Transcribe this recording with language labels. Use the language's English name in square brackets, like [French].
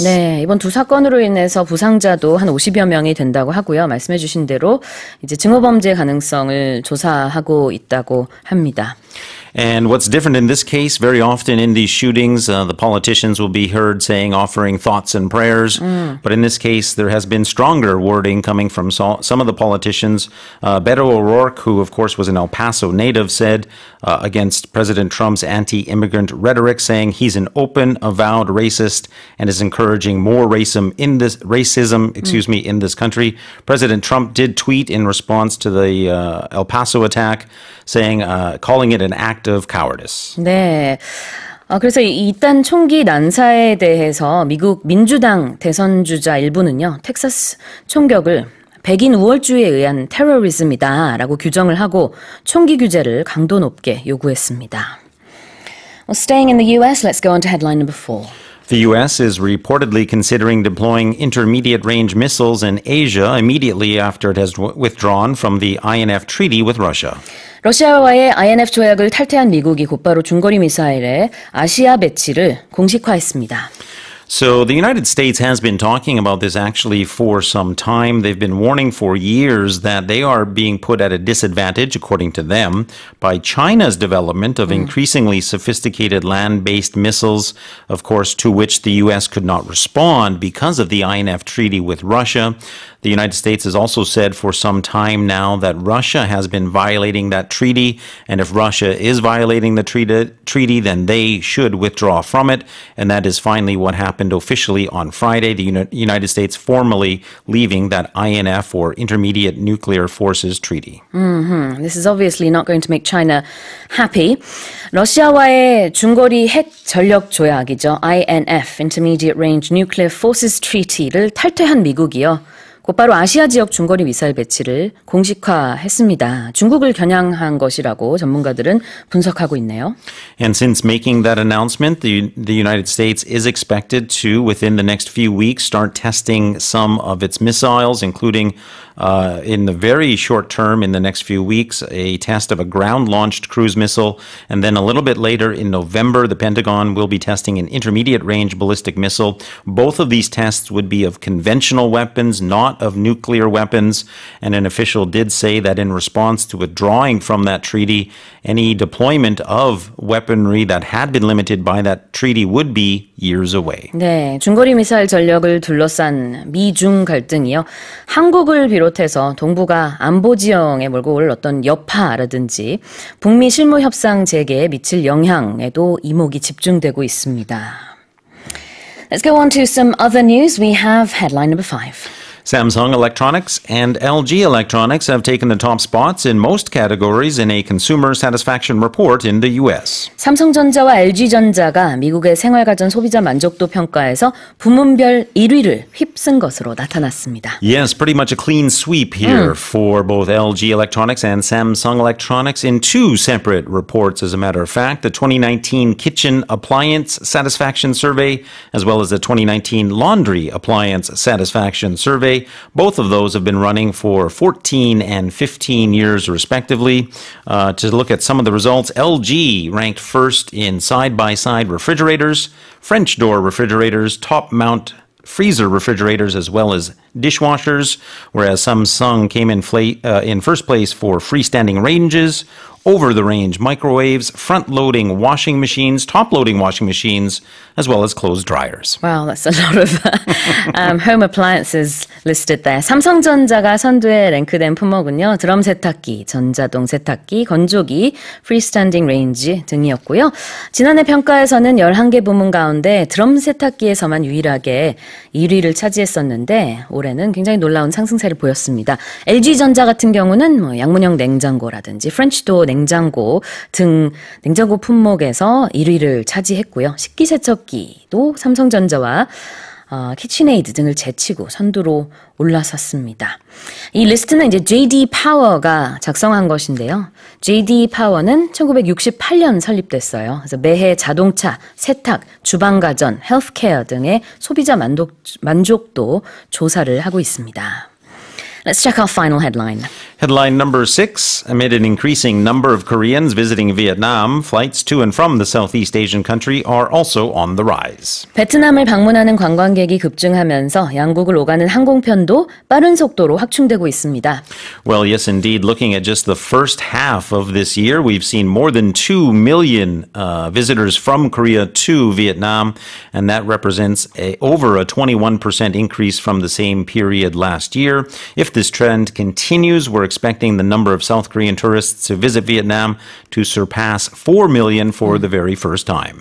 [Korean] 네, 이번 두 사건으로 인해서 부상자도 한 50여 명이 된다고 하고요. 말씀해 주신 대로 이제 증오 범죄 가능성을 조사하고 있다고 합니다. [English] And what's different in this case, very often in these shootings, the politicians will be heard saying, offering thoughts and prayers. But in this case, there has been stronger wording coming from some of the politicians. Beto O'Rourke, who of course was an El Paso native, said against President Trump's anti-immigrant rhetoric, saying he's an open, avowed racist and is encouraging more racism in this country. President Trump did tweet in response to the El Paso attack, saying, calling it an act of cowardice. [Korean] 네. 그래서 이딴 총기 난사에 대해서 미국 민주당 대선 주자 일부는요. 텍사스 총격을 백인 우월주의에 의한 테러리즘이다라고 규정을 하고 총기 규제를 강도 높게 요구했습니다. [English] Well, staying in the US, let's go on to headline number 4. The U.S. is reportedly considering deploying intermediate-range missiles in Asia immediately after it has withdrawn from the INF treaty with Russia. [Korean] 러시아와의 INF 조약을 탈퇴한 미국이 곧바로 중거리 미사일의 아시아 배치를 공식화했습니다. [English] So the United States has been talking about this actually for some time. They've been warning for years that they are being put at a disadvantage, according to them, by China's development of increasingly sophisticated land-based missiles, of course, to which the U.S. could not respond because of the INF treaty with Russia. The United States has also said for some time now that Russia has been violating that treaty, and if Russia is violating the treaty, then they should withdraw from it, and that is finally what happened officially on Friday, the United States formally leaving that INF, or Intermediate Nuclear Forces, treaty. Mm-hmm. This is obviously not going to make China happy. [Korean] 러시아와의 중거리 핵 전력 조약이죠, INF, Intermediate Range Nuclear Forces Treaty를 탈퇴한 미국이요. 곧바로 아시아 지역 중거리 미사일 배치를 공식화했습니다. 중국을 겨냥한 것이라고 전문가들은 분석하고 있네요. [English] And since making that announcement, the United States is expected to, within the next few weeks, start testing some of its missiles, including in the very short term, in the next few weeks, a test of a ground-launched cruise missile. And then a little bit later in November, the Pentagon will be testing an intermediate-range ballistic missile. Both of these tests would be of conventional weapons, not of nuclear weapons. And an official did say that in response to withdrawing from that treaty, any deployment of weaponry that had been limited by that treaty would be years away. [Korean] 네, 중거리 미사일 전력을 둘러싼 미중 갈등이요. 한국을 비롯해서 동북아 안보 지형에 몰고 올 어떤 여파라든지 북미 실무 협상 재개에 미칠 영향에도 이목이 집중되고 있습니다. [English] Let's go on to some other news. We have headline number 5. Samsung Electronics and LG Electronics have taken the top spots in most categories in a consumer satisfaction report in the U.S. [Korean] 삼성전자와 LG전자가 미국의 생활가전 소비자 만족도 평가에서 부문별 1위를 휩쓴 것으로 나타났습니다. [English] Yes, pretty much a clean sweep here for both LG Electronics and Samsung Electronics in two separate reports, as a matter of fact. The 2019 Kitchen Appliance Satisfaction Survey, as well as the 2019 Laundry Appliance Satisfaction Survey. Both of those have been running for 14 and 15 years, respectively. To look at some of the results, LG ranked first in side-by-side refrigerators, French door refrigerators, top-mount freezer refrigerators, as well as dishwashers, whereas Samsung came in first place for freestanding ranges, over-the-range microwaves, front-loading washing machines, top-loading washing machines, as well as clothes dryers. Wow, that's a lot of home appliances listed there. [Korean] 삼성전자가 선두에 랭크된 품목은요, 드럼 세탁기, 전자동 세탁기, 건조기, 프리스탠딩 레인지 등이었고요. 지난해 평가에서는 11개 부문 가운데 드럼 세탁기에서만 유일하게 1위를 차지했었는데 올해는 굉장히 놀라운 상승세를 보였습니다. LG전자 같은 경우는 뭐 양문형 냉장고라든지 프렌치도 냉장고 등 냉장고 품목에서 1위를 차지했고요. 식기세척기도 삼성전자와 키친에이드 등을 제치고 선두로 올라섰습니다. 이 리스트는 이제 JD 파워가 작성한 것인데요. JD 파워는 1968년 설립됐어요. 그래서 매해 자동차, 세탁, 주방가전, 헬스케어 등의 소비자 만족도 조사를 하고 있습니다. [English] Let's check our final headline. Headline number 6. Amid an increasing number of Koreans visiting Vietnam, flights to and from the Southeast Asian country are also on the rise. [Korean] 베트남을 방문하는 관광객이 급증하면서 양국을 오가는 항공편도 빠른 속도로 확충되고 있습니다. [English] Well, yes, indeed. Looking at just the first half of this year, we've seen more than 2 million visitors from Korea to Vietnam, and that represents over a 21% increase from the same period last year. If this trend continues, we're expecting the number of South Korean tourists to visit Vietnam to surpass 4 million for the very first time.